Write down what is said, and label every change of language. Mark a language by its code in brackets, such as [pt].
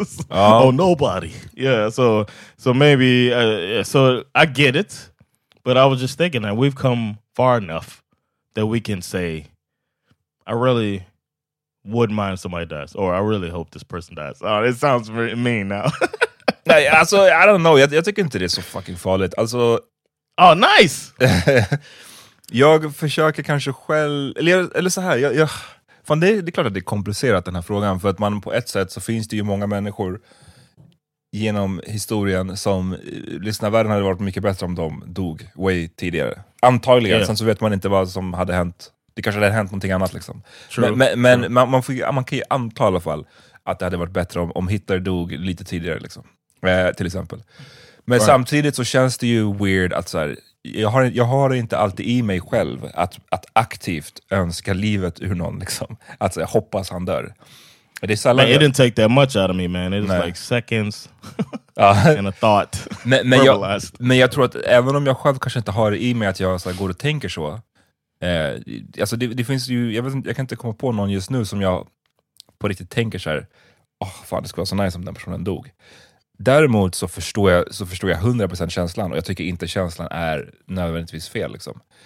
[en] Oh, nobody. Yeah, so maybe, so I get it. But I was just thinking that we've come far enough that we can say, I really wouldn't mind if somebody dies. Or I really hope this person dies. Oh, it sounds very mean now. [sv] Nej, alltså, [en] I don't know. [sv] Jag tycker inte det är så fucking farligt. Alltså... [en] Oh, nice! [sv] Jag försöker kanske själv... Eller så här, jag fan, det är klart att det är komplicerat den här frågan. För att man på ett sätt så finns det ju många människor genom historien som... Lyssna, världen hade varit mycket bättre om de dog way tidigare. Antagligen, yeah. Sen så vet man inte vad som hade hänt. Det kanske hade hänt någonting annat liksom. [en] True. [sv] Men true. Man kan ju anta i alla fall att det hade varit bättre om Hitler dog lite tidigare liksom. Till exempel. Men right. Samtidigt så känns det ju weird att så här, jag har inte alltid i mig själv att aktivt önska livet ur någon liksom. Att så här, hoppas han dör. Det är sällan, [en] man, it didn't take that much out of me, man. It was like seconds and a thought. [sv] men jag tror att även om jag själv kanske inte har det i mig att jag så här, går och tänker så. Alltså det finns ju, jag kan inte komma på någon just nu som jag på riktigt tänker så här, åh, fan, det skulle vara så nice om den personen dog. Däremot så förstår jag 100% känslan, och jag tycker inte känslan är nödvändigtvis fel liksom.